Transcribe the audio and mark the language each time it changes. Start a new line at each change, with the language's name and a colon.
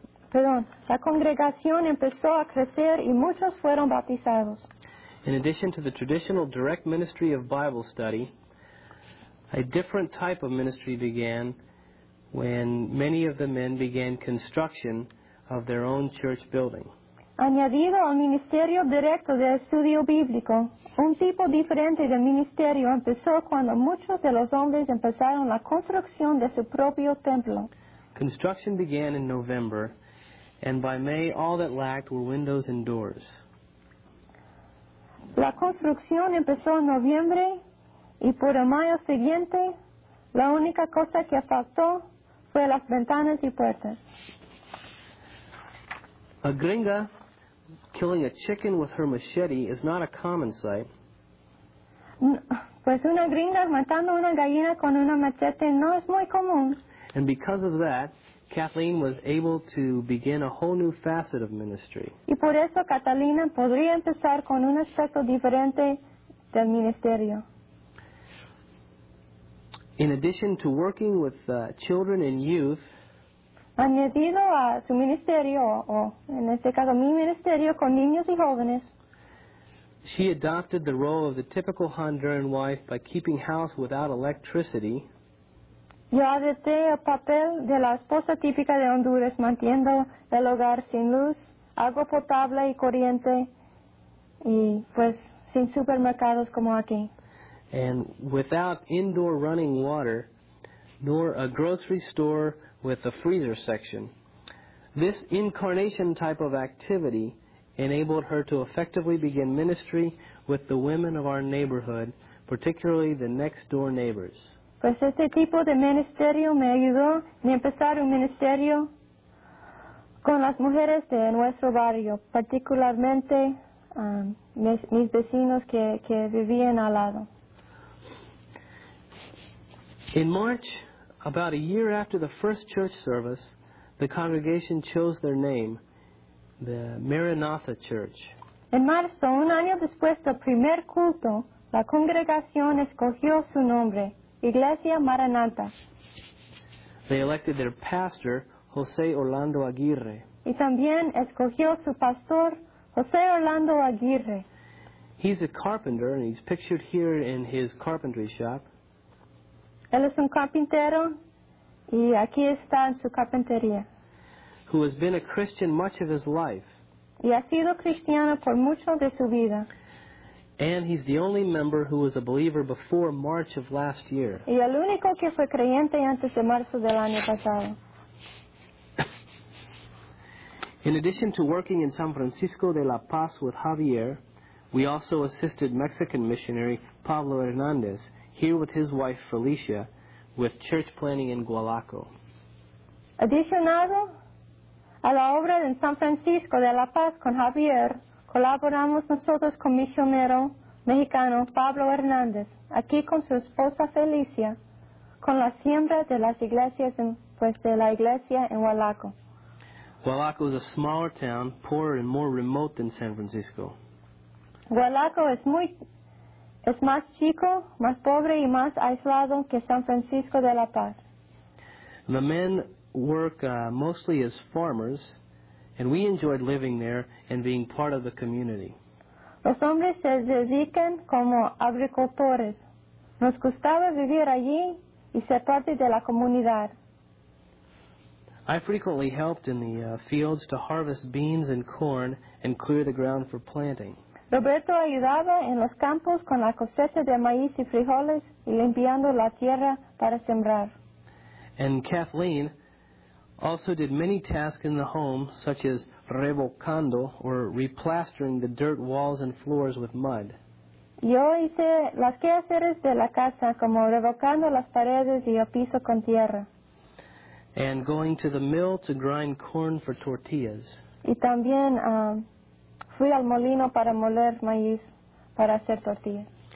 Spanish: perdón, la congregación empezó a crecer y muchos fueron bautizados.
English: In addition to the traditional direct ministry of Bible study, a different type of ministry began when many of the men began construction of their own church building.
Spanish: Añadido al ministerio directo de estudio bíblico, un tipo diferente de ministerio empezó cuando muchos de los hombres empezaron la construcción de su propio templo.
English: Construction began in November, and by May all that lacked were windows and doors.
Spanish: La construcción empezó en noviembre, y por el mayo siguiente, la única cosa que faltó fue las ventanas y puertas.
English: A gringa killing a chicken with her machete is not a common sight.
Spanish: Pues una gringa matando una gallina con una machete no es muy común.
English: And because of that, Kathleen was able to begin a whole new facet of ministry.
Spanish: Y por eso Catalina podría empezar con un aspecto diferente del ministerio.
English: In addition to working with children and youth,
Spanish: añadido a su ministerio, o en este caso mi ministerio, con niños y jóvenes,
English: she adopted the role of the typical Honduran wife by keeping house without electricity.
Spanish: Yo adopté el papel de la esposa típica de Honduras, manteniendo el hogar sin luz, agua potable y corriente, y pues sin supermercados como aquí.
English: And without indoor running water, nor a grocery store with a freezer section. This incarnation type of activity enabled her to effectively begin ministry with the women of our neighborhood, particularly the next door neighbors.
Spanish: Pues este tipo de ministerio me ayudó a empezar un ministerio con las mujeres de nuestro barrio, particularmente mis vecinos que vivían al lado.
English: In March, about a year after the first church service, the congregation chose their name, the Maranatha Church.
Spanish: En marzo, un año después del primer culto, la congregación escogió su nombre, Iglesia Maranatha.
English: They elected their pastor, José Orlando Aguirre.
Spanish: Y también escogió su pastor, José Orlando Aguirre.
English: He's a carpenter, and he's pictured here in his carpentry shop.
Spanish: Él es un carpintero, y aquí está en su carpintería.
English: Who has been a Christian much of his life.
Spanish: Y ha sido cristiano por mucho de su vida.
English: And he's the only member who was a believer before March of last year.
Spanish: Y el único que fue creyente antes de marzo del año pasado.
English: In addition to working in San Francisco de la Paz with Javier, we also assisted Mexican missionary Pablo Hernandez here with his wife Felicia with church planning in Gualaco.
Spanish: Adicionado a la obra en San Francisco de la Paz con Javier, colaboramos nosotros con misionero mexicano Pablo Hernández, aquí con su esposa Felicia, con la siembra de las iglesias de la iglesia en Gualaco.
English: Gualaco is a smaller town, poorer and more remote than San Francisco.
Spanish: Gualaco es más chico, más pobre y más aislado que San Francisco de la Paz.
English: The men work mostly as farmers, and we enjoyed living there and being part of the community.
Spanish: Los hombres se dedican como agricultores. Nos gustaba vivir allí y ser parte de la comunidad.
English: I frequently helped in the fields to harvest beans and corn and clear the ground for planting.
Spanish: Roberto ayudaba en los campos con la cosecha de maíz y frijoles y limpiando la tierra para sembrar.
English: And Kathleen also did many tasks in the home, such as revocando or replastering the dirt walls and floors with mud.
Spanish: Yo hice las quehaceres de la casa, como revocando las paredes y el piso con tierra.
English: And going to the mill to grind corn for tortillas.
Spanish: Y también fui al molino para moler maíz, para hacer tortillas.